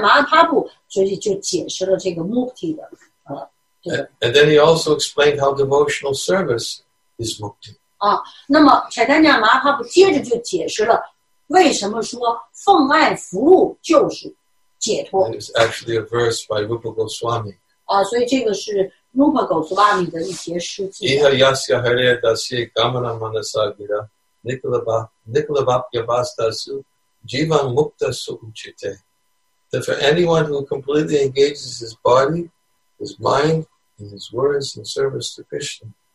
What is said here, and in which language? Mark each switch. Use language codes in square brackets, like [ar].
[zh] Mahaprabhu 所以就解释了这个 Mukti 的, [en] and then he also explained how devotional service is Mukti. [zh] 那么Chaitanya Mahaprabhu 接着就解释了为什么说奉爱服务就是 [en] It is actually a verse by Rupa Goswami. So this is Rupa Goswami's [sa] Iha yasya hare dasye gamana manasa gira nikalabhapya vastasu jivan mukta su uchite. [en] That for anyone who completely engages his body, his mind, and his words in service to Krishna.